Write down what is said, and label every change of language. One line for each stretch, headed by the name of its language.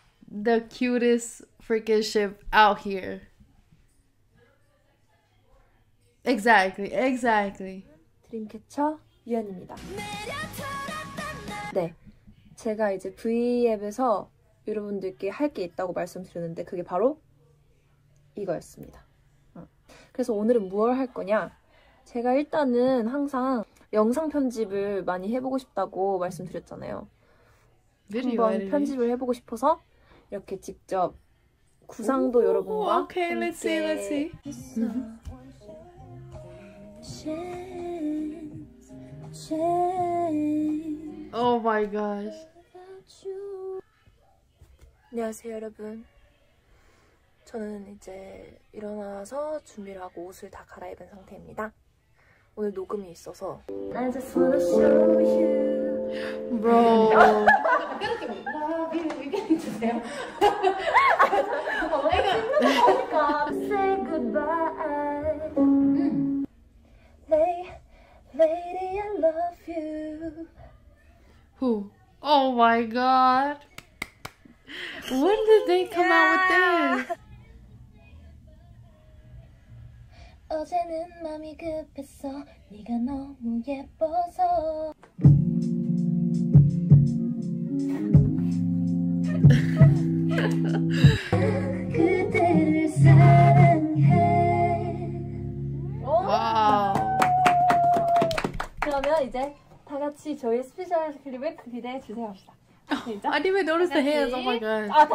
English: The cutest freaking ship out here. Exactly.
Korean: Dreamcatcher, Yoohyeon입니다. 네, 제가 이제 V앱에서 여러분들께 할 게 있다고 말씀드렸는데 그게 바로 이거였습니다. 그래서 오늘은 무얼 할 거냐? 제가 일단은 항상 영상 편집을 많이 해보고 싶다고 말씀드렸잖아요. 한번 편집을 해보고 싶어서 이렇게 직접 구상도 여러분과 함께
English: Let's see. Oh my gosh.
Korean: 안녕하세요, 여러분. 저는 이제 일어나서 준비를 하고 옷을 다 갈아입은 상태입니다. 오늘 녹음이 있어서
English: I just wanna show you Bro
Korean: 깨끗이
English: Say goodbye Lady, I love you Who? Oh my god When did they come out with this?
Korean: 어제는 마음이 급했어 네가 너무 예뻐서 그대를 사랑해 와 그러면 이제 다 같이 저희 스페셜 클립을 기대해 주세요 합시다
English: I didn't even notice the hands, oh my god.